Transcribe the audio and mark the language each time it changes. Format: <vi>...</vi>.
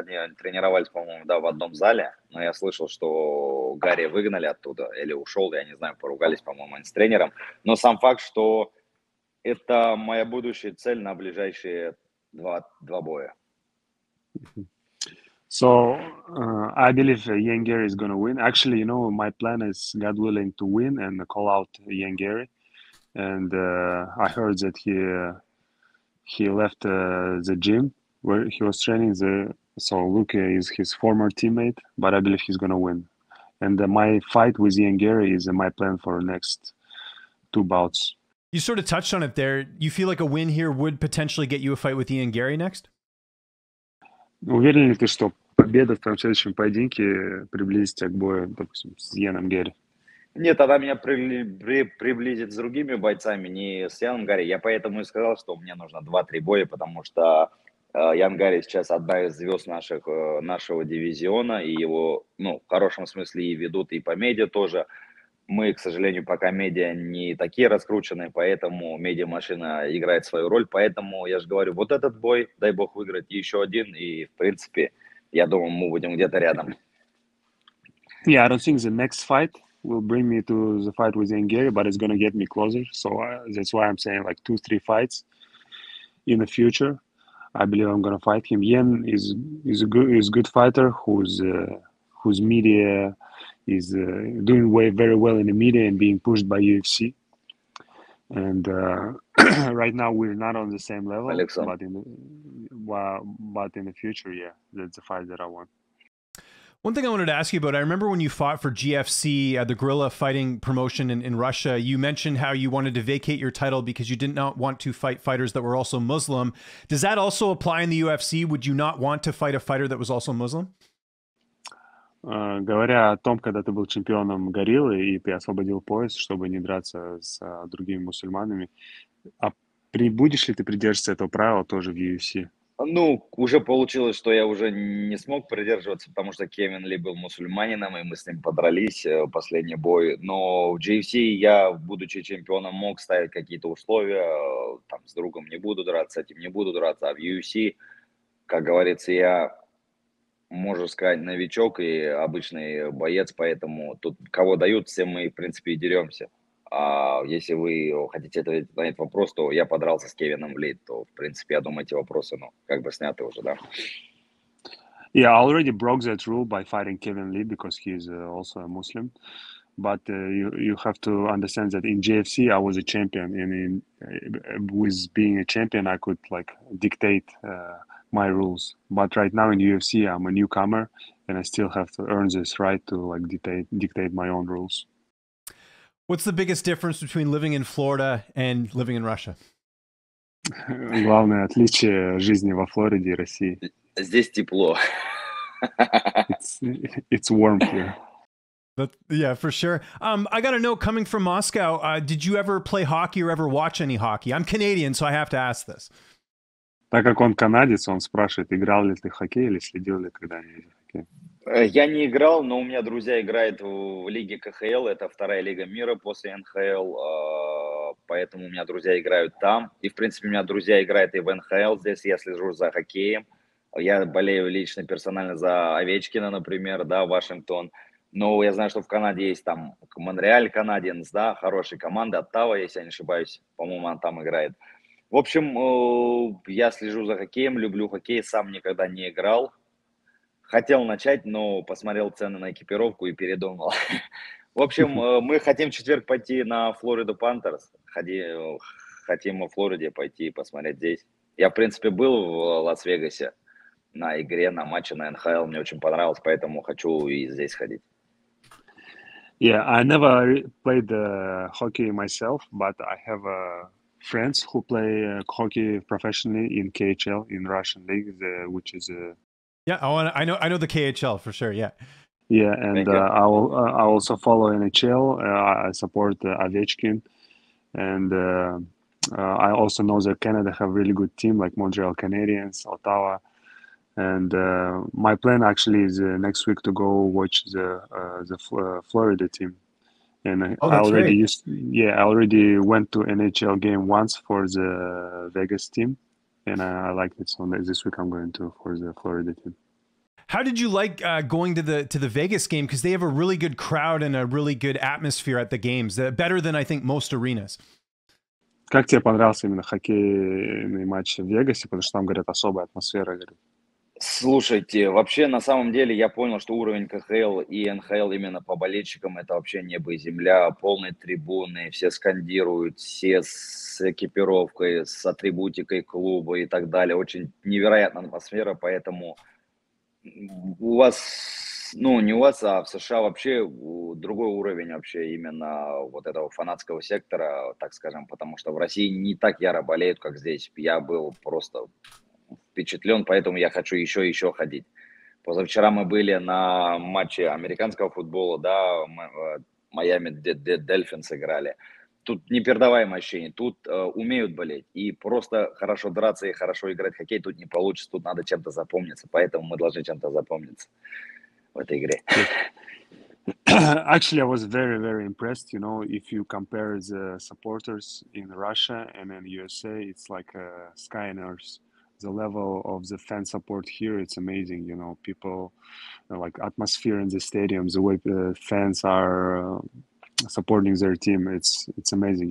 <ru>Они тренировались, по-моему, да, в одном зале. Но я слышал, что Гарри выгнали оттуда или ушел. Я не знаю, поругались, по-моему, они с тренером. Но сам факт, что это моя будущая цель на ближайшие два боя.</ru> <en>So, I believe Ian Garry is going to win. Actually, you know, my plan is, God willing, to win and call out Ian Garry. And I heard that he left the gym where he was training. So Luque is his former teammate, but I believe he's going to win. And my fight with Ian Garry is my plan for next two bouts. You sort of touched on it there. You feel like a win here would potentially get you a fight with Ian Garry next?</en> <ru>Уверен ли ты, что победа в том следующем поединке приблизит тебя к бою, допустим, с Яном Гарри? Нет, она меня приблизит с другими бойцами, не с Яном Гарри. Я поэтому и сказал, что мне нужно 2-3 боя, потому что Ян Гарри сейчас одна из звезд нашего дивизиона, и его, ну, в хорошем смысле и ведут, и по медиа тоже. мы, к сожалению, пока медиа не такие раскрученные, поэтому медиа-машина играет свою роль. Поэтому я же говорю, вот этот бой, дай бог выиграть еще один, и, в принципе, я думаю, мы будем где-то рядом.</ru> <en>Yeah, I don't think the next fight will bring me to the fight with Garry, but it's going to get me closer. So that's why I'm saying like 2-3 fights in the future. I believe I'm going to fight him. Yen is a good fighter whose media is doing way very well in the media and being pushed by UFC. And right now we're not on the same level, Alexander. but in the future, yeah, that's the fight that I want. One thing I wanted to ask you about, I remember when you fought for GFC, the guerrilla fighting promotion in Russia, you mentioned how you wanted to vacate your title because you did not want to fight fighters that were also Muslim. Does that also apply in the UFC? Would you not want to fight a fighter that was also Muslim?</en> <ru>Говоря о том, когда ты был чемпионом гориллы и ты освободил пояс, чтобы не драться с другими мусульманами, а будешь ли ты придерживаться этого правила тоже в UFC? Ну, уже получилось, что я уже не смог придерживаться, потому что Кевин Ли был мусульманином, и мы с ним подрались в последний бой. Но в GFC я, будучи чемпионом, мог ставить какие-то условия. Там, с другом не буду драться, с этим не буду драться. А в UFC, как говорится, я, можно сказать, новичок и обычный боец, поэтому тут кого дают, все мы, в принципе, и деремся. А если вы хотите ответить на этот вопрос, то я подрался с Кевином Ли, то, в принципе, я думаю, эти вопросы, ну, как бы сняты уже, да.</ru> <en>Yeah, I already broke that rule by fighting Kevin Lee because he's also a Muslim. But you have to understand that in GFC I was a champion, and in with being a champion I could like dictate my rules. But right now in UFC I'm a newcomer and I still have to earn this right to like dictate my own rules. What's the biggest difference between living in Florida and living in Russia?</en> <ru>Главное отличие жизни во Флориде и России. Здесь тепло.</ru> <en>It's warm here. But, yeah, for sure. I got to know, coming from Moscow, did you ever play hockey or ever watch any hockey? I'm Canadian, so I have to ask this.</en> <ru>Так как он канадец, он спрашивает, играл ли ты в хоккей или следил ли когда-нибудь в хоккей? Я не играл, но у меня друзья играют в лиге КХЛ, это вторая лига мира после НХЛ, поэтому у меня друзья играют там. И, в принципе, у меня друзья играют и в НХЛ, здесь я слежу за хоккеем. Я болею лично, персонально за Овечкина, например, да, Вашингтон. Но я знаю, что в Канаде есть там Монреаль Канадиенс, да, хорошая команда, Оттава, если я не ошибаюсь, по-моему, она там играет. В общем, я слежу за хоккеем, люблю хоккей, сам никогда не играл. Хотел начать, но посмотрел цены на экипировку и передумал. В общем, мы хотим в четверг пойти на Флориду Пантерс. Хотим в Флориде пойти и посмотреть здесь. Я, в принципе, был в Лас-Вегасе на игре, на матче на НХЛ. Мне очень понравилось, поэтому хочу и здесь ходить.</ru> <en>Yeah, I never played hockey myself, but I have friends who play hockey professionally in KHL, in Russian League, which is... Yeah, I know the KHL for sure. Yeah, yeah, and I also follow NHL. I support Ovechkin, and I also know that Canada have really good team like Montreal Canadiens, Ottawa, and my plan actually is next week to go watch the Florida team, and I already went to NHL game once for the Vegas team. And I like it, so this week I'm going to for the Florida team. How did you like going to the Vegas game? Because they have a really good crowd and a really good atmosphere at the games, better than I think most arenas.</en> <ru>Как тебе понравился именно хоккейный матч в Вегасе, потому что там говорят особая атмосфера, говорят. Слушайте, вообще на самом деле я понял, что уровень КХЛ и НХЛ именно по болельщикам это вообще небо и земля, полные трибуны, все скандируют, все с экипировкой, с атрибутикой клуба и так далее. Очень невероятная атмосфера, поэтому у вас, ну не у вас, а в США вообще другой уровень вообще именно вот этого фанатского сектора, так скажем, потому что в России не так яро болеют, как здесь. Я был просто... впечатлен, поэтому я хочу еще ходить. Позавчера мы были на матче американского футбола, да, Майами Дельфинс играли. Тут непередаваемое ощущение, тут умеют болеть. И просто хорошо драться и хорошо играть в хоккей тут не получится, тут надо чем-то запомниться. Поэтому мы должны чем-то запомниться в этой игре.</ru> <en>Actually, I was very, very impressed. You know, if you compare the supporters in Russia and in USA, it's like a sky and earth. The level of the fan support here, it's amazing. You know, people, you know, like atmosphere in the stadium, the way the fans are supporting their team, it's amazing.</en>